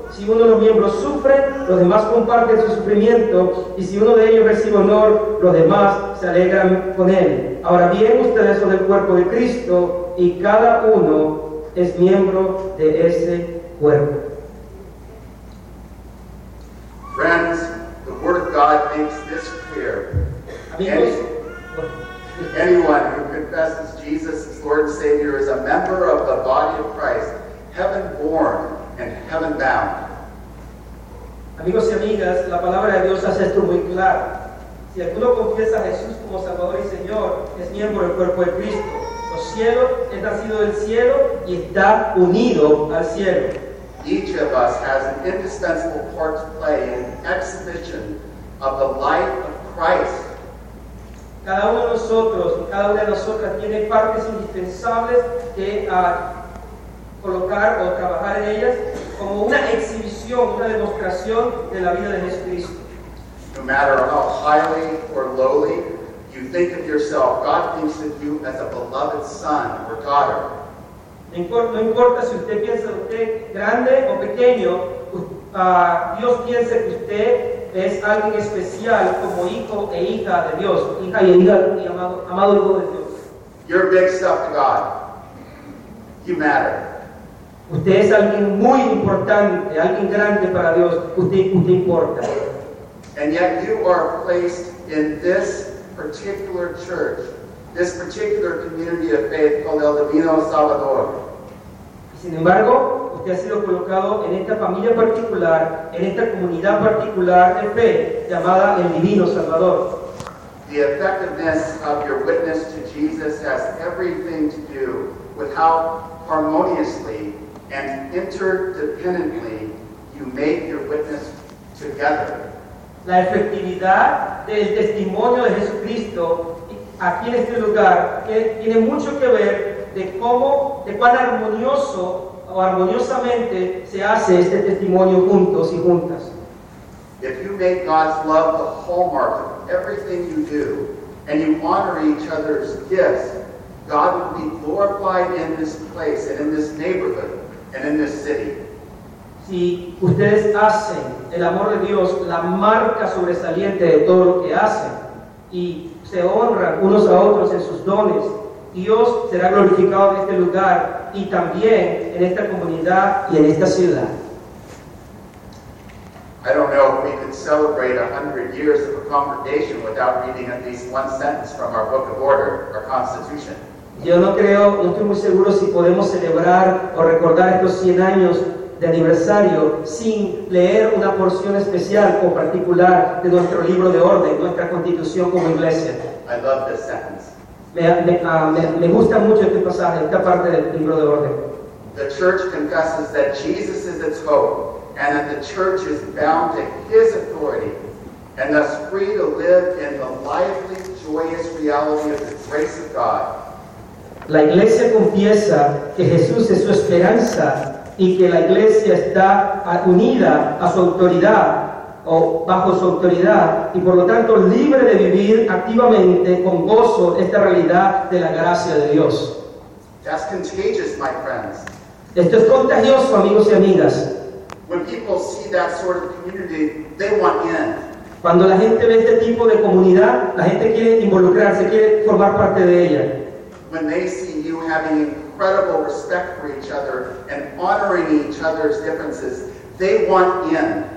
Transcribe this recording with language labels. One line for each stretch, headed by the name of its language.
Spanish: Si uno de los miembros sufre, los demás comparten su sufrimiento, y si uno de ellos recibe honor, los demás se alegran con él. Ahora bien, ustedes son el cuerpo de Cristo, y cada uno es miembro de ese cuerpo.
English: Friends, the word of God makes this clear.
Spanish: Amigos,
English: anyone who confesses Jesus as Lord and Savior is a member of the body of Christ, heaven born and heaven bound.
Spanish: Amigos y amigas, la palabra de Dios hace esto muy claro. Si alguno confiesa a Jesús como Salvador y Señor, es miembro del cuerpo de Cristo. Los cielos, es nacido del cielo y está unido al cielo.
English: Each of us has an indispensable part to play in the exhibition of the life of Christ.
Spanish: Cada uno de nosotros, cada una de nosotras tiene partes indispensables que colocar o trabajar en ellas como una exhibición, una demostración de la vida de Jesucristo.
English: No matter how highly or lowly you think of yourself, God thinks of you as a beloved son or daughter.
Spanish: No importa si usted piensa de usted grande o pequeño, Dios piensa que usted es alguien especial como hijo e hija de Dios, hija y hija y amado hijo de Dios.
English: You're big stuff to God. You matter.
Spanish: Usted es alguien muy importante, alguien grande para Dios. Usted importa.
English: And yet you are placed in this particular church, this particular community of faith called El Divino Salvador.
Spanish: Sin embargo, usted ha sido colocado en esta familia particular, en esta comunidad particular de fe llamada El Divino Salvador.
English: The effectiveness of your witness to Jesus has everything to do with how harmoniously and interdependently you make your witness together.
Spanish: La efectividad del testimonio de Jesucristo aquí en este lugar, que tiene mucho que ver de cómo, de cuán armonioso o armoniosamente se hace este testimonio juntos y juntas.
English: If you make God's love the hallmark of everything you do, and you honor each other's gifts, God will be glorified in this place and in this neighborhood and in this city.
Spanish: Si ustedes hacen el amor de Dios la marca sobresaliente de todo lo que hacen y se honran unos a otros en sus dones, Dios será glorificado en este lugar y también en esta comunidad y en esta ciudad.
English: I don't know if we could celebrate 100 years of a congregation without reading at least one sentence from our Book of Order, our Constitution.
Spanish: Yo no creo, no estoy muy seguro si podemos celebrar o recordar estos 100 años de aniversario sin leer una porción especial o particular de nuestro libro de orden, nuestra constitución como iglesia.
English: I love this sentence.
Spanish: Me gusta mucho este pasaje, esta parte del libro de orden.
English: The church confesses that Jesus is its hope, and that the church is bound to his authority, and thus free to live in the lively, joyous reality of the grace of God.
Spanish: La iglesia confiesa que Jesús es su esperanza y que la iglesia está unida a su autoridad o bajo su autoridad y por lo tanto libre de vivir activamente con gozo esta realidad de la gracia de Dios.
English: That's contagious, my friends.
Spanish: Esto es contagioso, amigos y amigas.
English: When people see that sort of community, they want in.
Spanish: Cuando la gente ve este tipo de comunidad, la gente quiere involucrarse, quiere formar parte de ella.
English: When they see you having incredible respect for each other and honoring each other's differences, they want in.